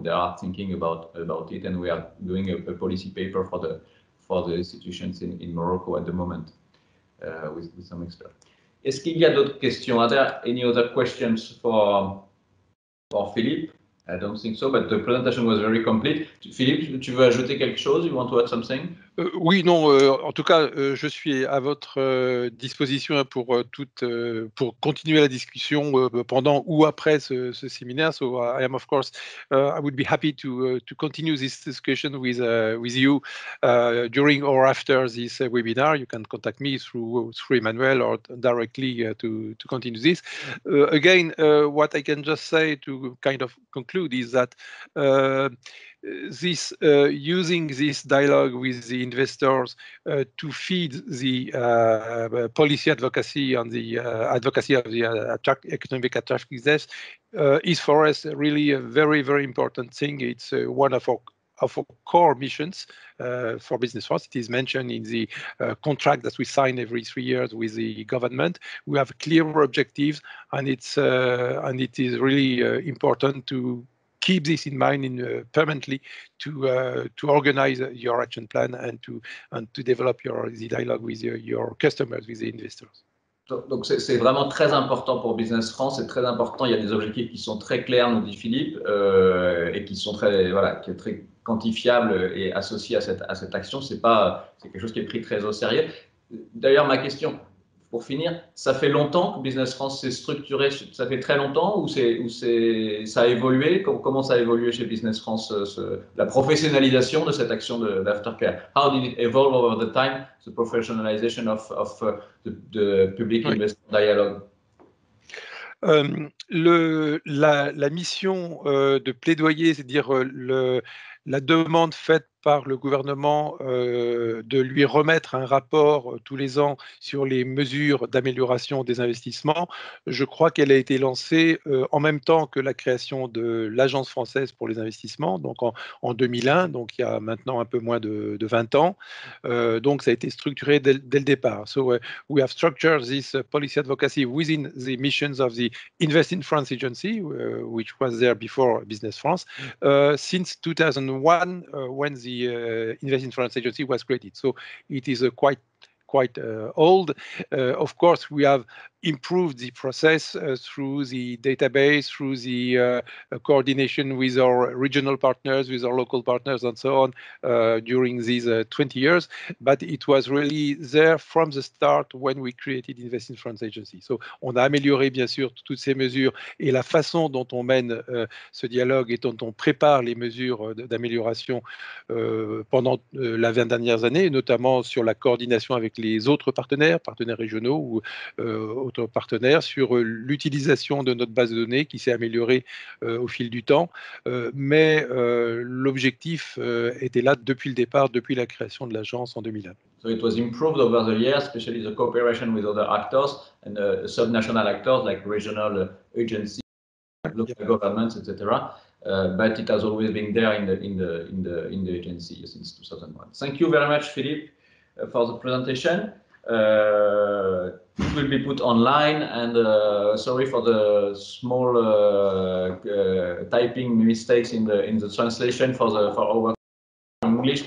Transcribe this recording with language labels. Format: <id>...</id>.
<en>And they are thinking about it, and we are doing a policy paper for the institutions in Morocco at the moment with some experts.</en> <fr>Est-ce qu'il y a d'autres questions?</fr> <en>Are there any other questions for Philippe? I don't think so, but the presentation was very complete.</en> <fr>Philippe, tu veux ajouter quelque chose?</fr> <en>You want to add something?</en> <fr>Oui, non. En tout cas, je suis à votre disposition pour continuer la discussion pendant ou après ce séminaire.</fr> <en>So I am, of course, I would be happy to continue this discussion with you during or after this webinar. You can contact me through Emmanuel or directly to continue this. Again, what I can just say to kind of conclude is that. This using this dialogue with the investors to feed the policy advocacy on the advocacy of the economic attractiveness is for us really a very, very important thing. It's one of our core missions for Business France. It is mentioned in the contract that we sign every 3 years with the government. We have clear objectives, and it is really important to keep this in mind in permanently to organize your action plan and to develop the dialogue with your customers, with the investors.</en> <fr>Donc c'est vraiment très important pour Business France, c'est très important. Il y a des objectifs qui sont très clairs, nous dit Philippe, et qui sont très voilà, qui est très quantifiable et associé à cette action. C'est quelque chose qui est pris très au sérieux. D'ailleurs, ma question pour finir, ça fait longtemps que Business France s'est structuré, ça fait très longtemps ça a évolué? Comment ça a évolué chez Business France, la professionnalisation de cette action d'aftercare?</fr> <en>How did it evolve over the time, the professionalization of the public investment dialogue?</en> <fr>La mission de plaidoyer, c'est-à-dire la demande faite par le gouvernement de lui remettre un rapport tous les ans sur les mesures d'amélioration des investissements, je crois qu'elle a été lancée en même temps que la création de l'Agence française pour les investissements, donc en 2001, donc il y a maintenant un peu moins de 20 ans. Donc ça a été structuré dès le départ.</fr> <en>So we have structured this policy advocacy within the missions of the Invest in France Agency, which was there before Business France, since 2001, when the Invest in France Agency was created. So it is quite old. Of course, we have improve the process through the database, through the coordination with our regional partners, with our local partners, and so on during these 20 years. But it was really there from the start when we created Invest in France Agency.</en> <fr>So on a amélioré, bien sûr, toutes ces mesures et la façon dont on mène ce dialogue et dont on prépare les mesures d'amélioration pendant la 20 dernières années, notamment sur la coordination avec les autres partenaires, partenaires régionaux ou autres partenaires, sur l'utilisation de notre base de données qui s'est améliorée au fil du temps. Mais l'objectif était là depuis le départ, depuis la création de l'agence en 2001.</fr> <en>So it was improved over the years, especially the cooperation with other actors and sub-national actors like regional agencies, local governments, etc. But it has always been there in the agency since 2001. Thank you very much, Philippe, for the presentation. It will be put online, and sorry for the small typing mistakes in the translation for our English.</en>